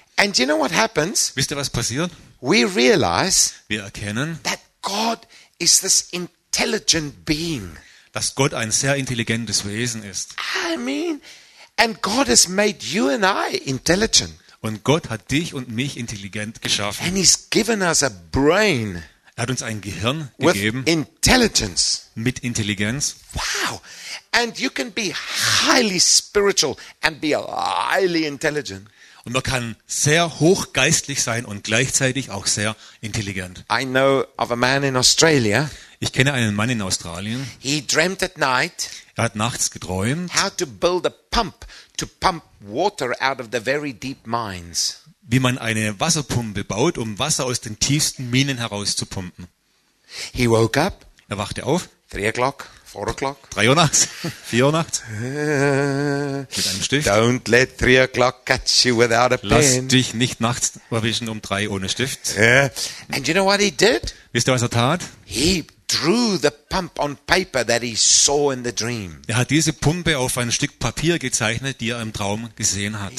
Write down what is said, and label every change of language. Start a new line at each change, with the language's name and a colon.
English: And you know what happens?
German: Wisst ihr, was passiert?
English: We realize.
German: Wir erkennen.
English: That God is this intelligent being.
German: Dass Gott ein sehr intelligentes Wesen ist.
English: I mean, and God has made you and I intelligent.
German: Und Gott hat dich und mich intelligent geschaffen.
English: And he's given us a brain.
German: Er hat uns ein Gehirn gegeben.
English: With intelligence.
German: Mit Intelligenz. Wow.
English: And you can be highly spiritual and be highly intelligent.
German: Und man kann sehr hochgeistlich sein und gleichzeitig auch sehr intelligent.
English: I know of a man in Australia.
German: Ich kenne einen Mann in Australien.
English: He dreamt at night.
German: Er hat nachts geträumt.
English: How to build a pump to pump water out of the very deep mines.
German: Wie man eine Wasserpumpe baut, um Wasser aus den tiefsten Minen herauszupumpen.
English: He woke up.
German: Er wachte auf.
English: 3 o'clock, 4 o'clock.
German: 3 Uhr nachts, 4 Uhr nachts. Mit einem Stift. Stift.
English: Don't let 3 o'clock catch you without a pen.
German: Lass dich nicht nachts erwischen um 3 ohne Stift.
English: Yeah. And you know what he did?
German: Wisst ihr, was er tat?
English: He drew the pump on paper that he saw in the dream.
German: Er hat diese Pumpe auf ein Stück Papier gezeichnet, die er im Traum gesehen hat.